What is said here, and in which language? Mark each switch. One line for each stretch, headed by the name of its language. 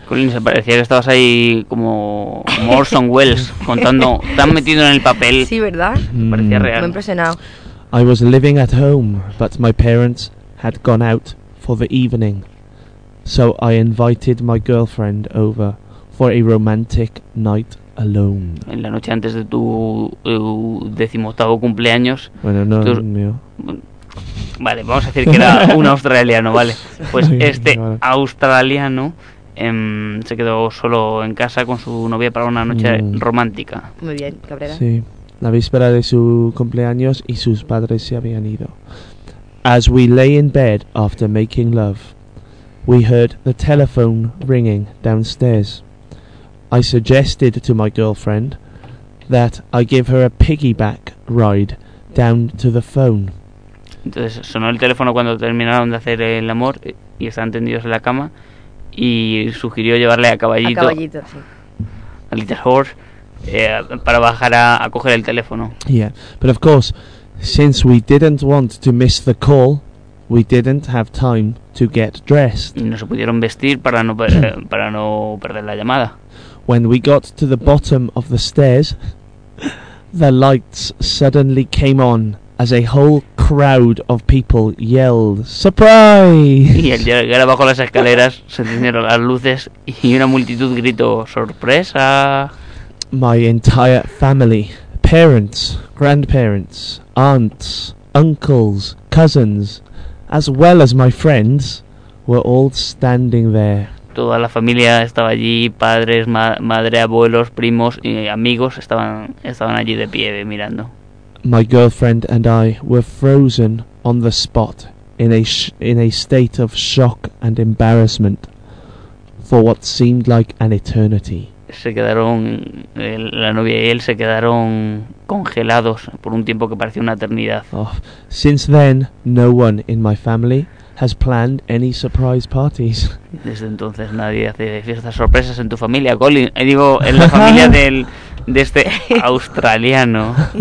Spanish: Collins, parecía que estabas ahí como Orson Welles contando, tan metido en el papel. Sí, ¿verdad? Parecía real. Me impresionado.
English: I was living at home, but my parents had gone out for the evening. So I invited my girlfriend over for a romantic night alone.
Spanish: En la noche antes de tu 18º cumpleaños. Bueno, no, tú, mío. Vale, vamos a decir que era un australiano, vale. Pues este australiano se quedó solo en casa con su novia para una noche romántica. Muy bien, Cabrera. Sí. La víspera de su cumpleaños y sus padres se habían ido.
English: As we lay in bed after making love, we heard the telephone ringing downstairs. I suggested to my girlfriend that I give her a piggyback ride down to the phone.
Spanish: Entonces sonó el teléfono cuando terminaron de hacer el amor y estaban tendidos en la cama y sugirió llevarle a caballito, sí.
English: A little horse.
Spanish: Para bajar a coger el teléfono.
English: Yeah, but of course, since we didn't want to miss the call, we didn't have time to get dressed.
Spanish: No se pudieron vestir para no perder la llamada.
English: When we got to the bottom of the stairs, the lights suddenly came on as a whole crowd of people yelled, "Surprise!"
Spanish: Y al llegar abajo las escaleras, se encendieron las luces y una multitud gritó, "Sorpresa!"
English: My entire family, parents, grandparents, aunts, uncles, cousins, as well as my friends, were all standing there.
Spanish: Toda la familia estaba allí, padres, madre, abuelos, primos y amigos estaban allí de pie mirando.
English: My girlfriend and I were frozen on the spot in a state of shock and embarrassment for what seemed like an eternity.
Spanish: Se quedaron, la novia y él se quedaron congelados por un tiempo que parecía una eternidad.
English: Oh, since then, no one in my family has planned any surprise parties.
Spanish: Desde entonces nadie hace fiestas sorpresas en tu familia, Colin. Digo, en la familia de este australiano.